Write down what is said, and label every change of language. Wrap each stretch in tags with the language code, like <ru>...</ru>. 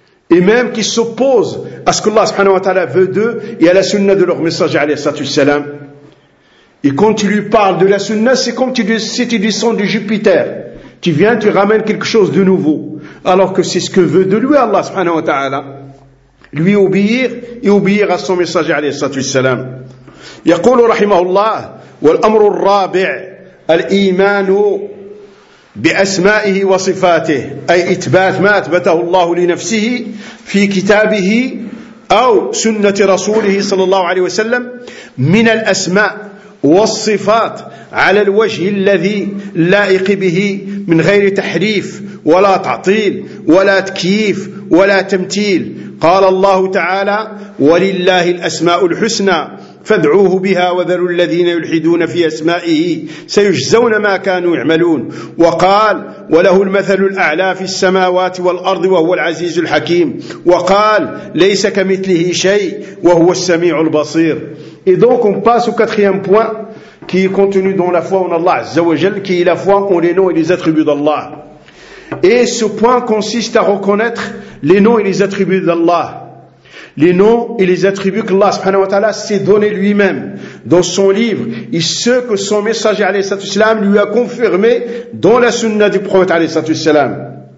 <fr>Et même qui s'opposent à ce qu'Allah subhanahu wa ta'ala veut d'eux et à la sunna de leur messager alayhi salatu wassalam. Et quand il lui parle de la sunna, c'est comme si tu descends du Jupiter. Tu viens, tu ramènes quelque chose de nouveau. Alors que c'est ce que veut de lui Allah subhanahu wa ta'ala. Lui obéir et obéir à son messager alayhi salatu wassalam.</fr> <ar>يقول رحمه الله والأمر الرابع الإيمان بأسمائه وصفاته أي إثبات ما أثبته الله لنفسه في كتابه أو سنة رسوله صلى الله عليه وسلم من الأسماء والصفات على الوجه الذي لائق به من غير تحريف ولا تعطيل ولا تكييف ولا تمثيل قال الله تعالى ولله الأسماء الحسنى فادعوه بها وذلوا الذين يلحدون في أسمائه سيجزون ما كانوا يعملون وقال وله المثل الأعلى في السماوات والأرض وهو العزيز الحكيم وقال ليس كمثله شيء وهو السميع البصير.</ar> <fr>Et donc on passe au quatrième point qui est contenu dans la foi en Allah Azza wa Jal, qui est la foi en les noms et les attributs d'Allah. Et ce point consiste à reconnaître les noms et les attributs d'Allah. Les noms et les attributs que Allah subhanahu wa ta'ala s'est donné lui-même dans son livre et ceux que son messager alayhi salatu wassalam lui a confirmé dans la sunna du prophète alayhi salatu wassalam.</fr>